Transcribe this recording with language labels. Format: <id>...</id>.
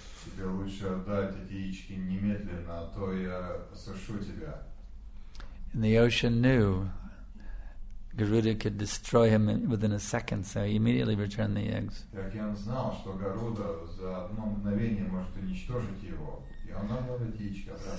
<ru>тебе лучше отдать эти яички немедленно, а то я сушу тебя.</ru> <en>And the ocean knew Garuda could destroy him within a second, so he immediately returned the eggs.</en> <ru>И океан знал, что Гаруда за одно мгновение может уничтожить его, и он отдал эти яички обратно.</ru>